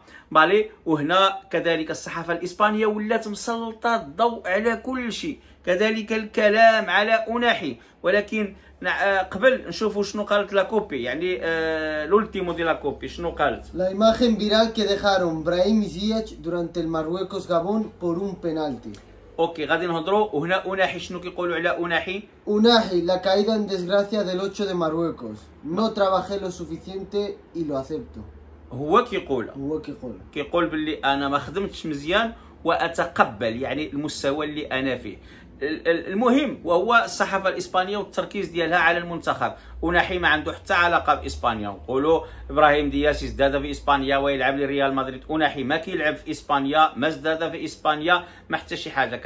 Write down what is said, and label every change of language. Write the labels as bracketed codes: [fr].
[ar] مالي، وهنا كذلك الصحافة الإسبانية ولات مسلطة الضوء على كل شيء، كذلك الكلام على أناحي. ولكن قبل نشوفوا شنو قالت لا كوبي، يعني [es] لولتيمو دي لا كوبي [ar] شنو قالت. [es] La imagen viral que dejaron Brahim y Ziyech durante el Marruecos Gabón por un penalti. [ar] اوكي غادي نهضروا، وهنا أناحي شنو كيقولوا على أناحي. [es] أناحي la caída en desgracia del 8 de Marruecos. No trabajé lo suficiente y lo acepto. [ar] هو كيقول كيقول باللي انا ما خدمتش مزيان واتقبل يعني المستوى اللي انا فيه. المهم وهو الصحافه الاسبانيه والتركيز ديالها على المنتخب. وناحي ما عنده حتى علاقه باسبانيا. نقولوا ابراهيم دياز ازداد في اسبانيا ويلعب لريال مدريد، وناحي ما كيلعب في اسبانيا، ما ازداد في اسبانيا، ما حتى شي حاجه.